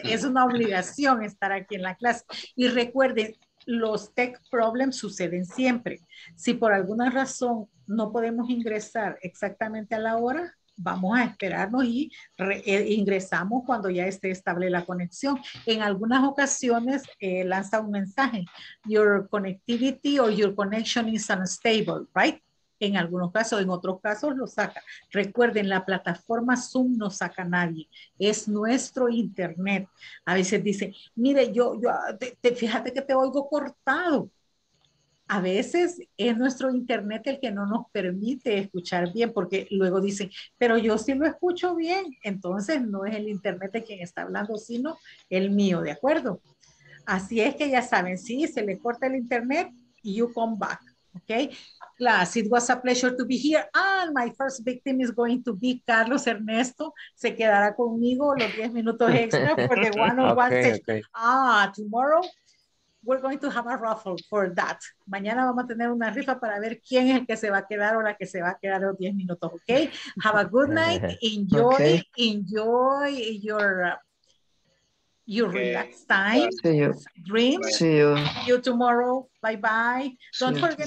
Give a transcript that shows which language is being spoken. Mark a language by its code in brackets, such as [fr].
[es] Es una obligación estar aquí en la clase. Y recuerden, los tech problems suceden siempre. Si por alguna razón no podemos ingresar exactamente a la hora, vamos a esperarnos y ingresamos cuando ya esté estable la conexión. En algunas ocasiones lanza un mensaje. [en] Your connectivity or your connection is unstable, right? [es] En algunos casos, en otros casos lo saca. Recuerden, la plataforma Zoom no saca a nadie. Es nuestro internet. A veces dice, mire, yo fíjate que te oigo cortado. A veces es nuestro internet el que no nos permite escuchar bien, porque luego dicen, pero yo sí lo escucho bien. Entonces no es el internet de quien está hablando, sino el mío, ¿de acuerdo? Así es que ya saben, sí, se le corta el internet, [en] you come back, [es] ¿ok? [en] Class, it was a pleasure to be here. And my first victim is going to be Carlos Ernesto. [es] Se quedará conmigo los 10 minutos extra [en] for the one-on-one session. Okay. Tomorrow. We're going to have a raffle for that. [es] Mañana vamos a tener una rifa para ver quién es el que se va a quedar o la que se va a quedar los 10 minutos, ¿ok? [en] Have a good night. Enjoy, okay. Enjoy your okay. Relaxed time. See you. Dreams. See you. See you tomorrow. Bye-bye. Don't forget